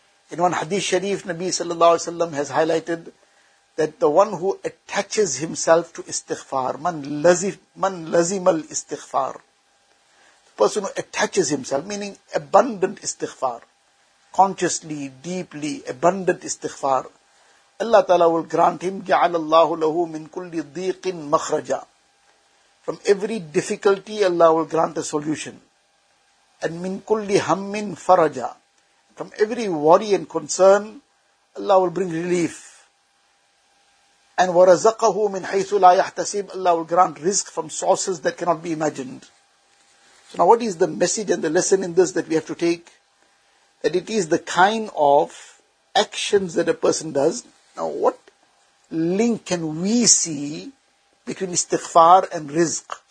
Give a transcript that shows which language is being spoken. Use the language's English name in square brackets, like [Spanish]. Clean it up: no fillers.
[English] In one hadith sharif, Nabi sallallahu alayhi wa sallam has highlighted that the one who attaches himself to istighfar, [Arabic] man lazim al-istighfar, [English] the person who attaches himself, meaning abundant istighfar, consciously, deeply, abundant istighfar, Allah Ta'ala will grant him, [Arabic] جَعَلَ اللَّهُ لَهُ مِنْ كُلِّ ضِيقٍ مَخْرَجًا. [English] From every difficulty, Allah will grant a solution. [Arabic] And مِنْ كُلِّ هَمٍ فَرَجًا. [English] From every worry and concern, Allah will bring relief. [Arabic] And وَرَزَقَهُ مِنْ حَيْثُ لَا يَحْتَسِبُ. [English] Allah will grant risk from sources that cannot be imagined. So now what is the message and the lesson in this that we have to take? That it is the kind of actions that a person does. Now what link can we see between istighfar and rizq?